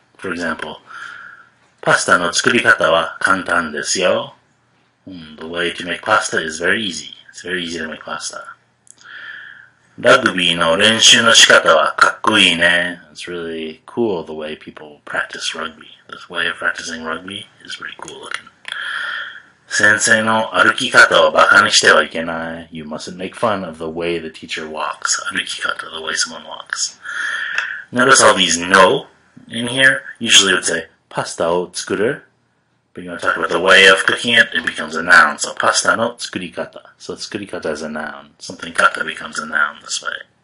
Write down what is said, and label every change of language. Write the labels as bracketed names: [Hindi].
[English] For example, pasta no tsukuri kata wa kantan desu yo. The way to make pasta is very easy. It's very easy to make pasta. [Japanese] Rugby no renshu no shikata wa kakkoii ne. [English] It's really cool the way people practice rugby. This way of practicing rugby is pretty cool looking. [Japanese] 先生の歩き方をバカにしてはいけない. [English] You mustn't make fun of the way the teacher walks. 歩き方, the way someone walks. Notice all these no in here. Usually it would say [Japanese] pastaを作る. [English] But you want to talk about the way of cooking it, it becomes a noun. So [Japanese] pastaの作り方. [English] So 作り方 is a noun. Something kata becomes a noun this way.